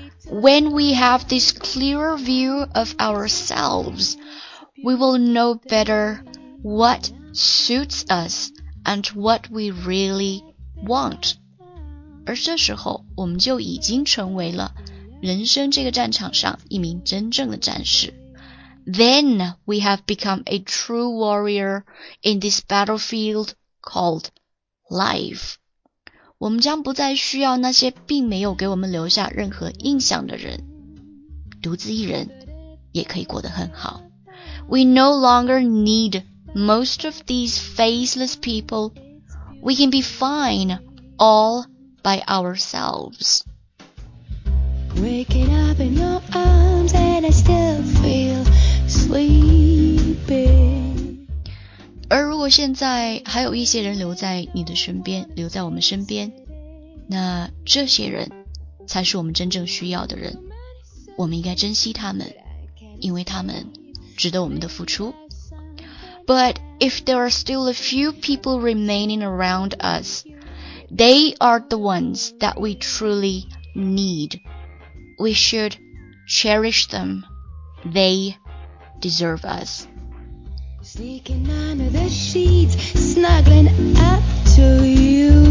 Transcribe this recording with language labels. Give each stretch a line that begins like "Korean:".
English: When we have this clearer view of ourselves, we will know better what suits us and what we really want.
Chinese: 而这时候我们就已经成为了人生这个战场上一名真正的战士。
English: Then we have become a true warrior in this battlefield called life.
Chinese: 我们将不再需要那些并没有给我们留下任何印象的人。独自一人也可以过得很好。
English: We no longer need most of these faceless people. We can be fine all by ourselves. Waking up in your arms and I still feel sleeping.
Chinese: 而如果现在还有一些人留在你的身边，留在我们身边，那这些人才是我们真正需要的人。我们应该珍惜他们，因为他们值得我们的付出。
English: But if there are still a few people remaining around us, they are the ones that we truly need. We should cherish them. They deserve us. Sneaking under the sheets, snuggling up to you.